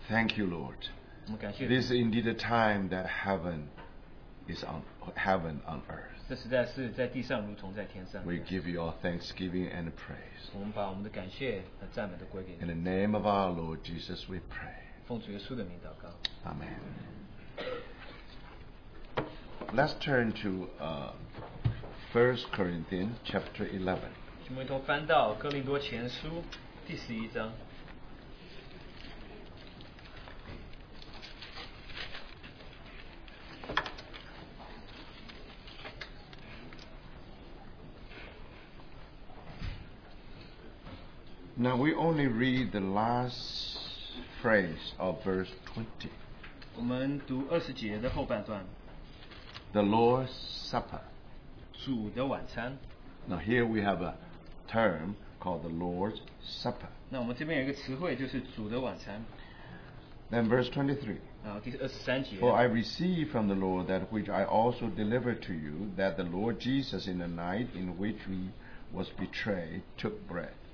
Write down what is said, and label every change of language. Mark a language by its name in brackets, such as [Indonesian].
[English] Thank you, Lord. This is indeed a time that heaven is on heaven on earth. [Chinese] 这实在是在地上如同在天上。 [English] We give you all thanksgiving and praise. [Chinese] 我们把我们的感谢和赞美都归给你。 [English] In the name of our Lord Jesus, we pray. [Chinese] 奉主耶稣的名祷告。 [English] Amen. Let's turn to 1 Corinthians chapter 11. [Chinese] 我们一同翻到哥林多前书第十一章。 [English] Now we only read the last phrase of verse 20. [Chinese] 我们读二十节的后半段。 [English] The Lord's Supper. [Chinese] 主的晚餐。 [English] Now here we have a term called the Lord's Supper. [Chinese] 那我们这边有一个词汇就是主的晚餐。 [English] Then verse 23. [Chinese] 然后第23节。 [English] For I received from the Lord that which I also delivered to you, that the Lord Jesus in the night in which he was betrayed took bread.